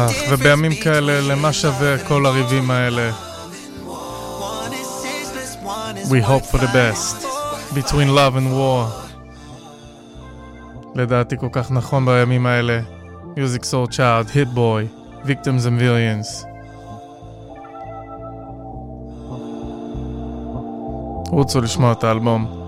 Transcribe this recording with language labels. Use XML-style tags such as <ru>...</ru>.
<he>ובימים כאלה למה שווה כל הריבים האלה?</he> <en>We hope for the best. Between love and war.</en> <he>לדעתי כל כך נכון בימים האלה. Music Soul Child, Hit Boy, Victims and Villains. רוצו לשמוע את האלבום.</he>